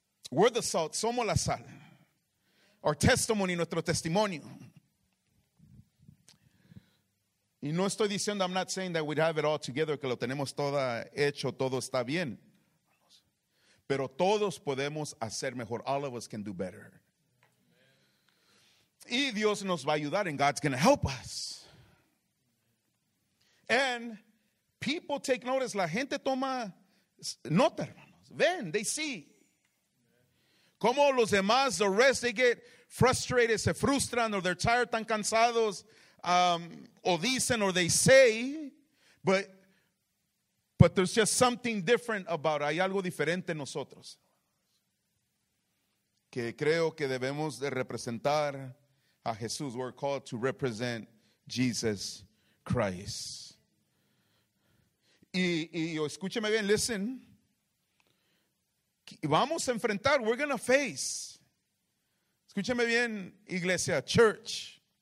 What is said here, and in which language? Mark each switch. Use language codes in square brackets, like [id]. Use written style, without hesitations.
[en] We're the salt, [es] somos la sal. [en] Our testimony, [es] nuestro testimonio. Y no estoy diciendo, [en] I'm not saying that we have it all together, [es] que lo tenemos todo hecho, todo está bien. Pero todos podemos hacer mejor. [en] All of us can do better. [es] Y Dios nos va a ayudar, [en] and God's going to help us. And people take notice. [es] La gente toma nota, hermanos. Ven, [en] they see. [es] Como los demás, [en] the rest, they get frustrated, [es] se frustran, [en] or they're tired, [es] tan cansados, o dicen, [en] or they say, but there's just something different about it. [es] Hay algo diferente en nosotros que creo que debemos de representar a Jesús. [en] We're called to represent Jesus Christ. [es] Y escúcheme bien, listen. Vamos a enfrentar, [en] we're going to face. [es] Escúcheme bien, iglesia, church.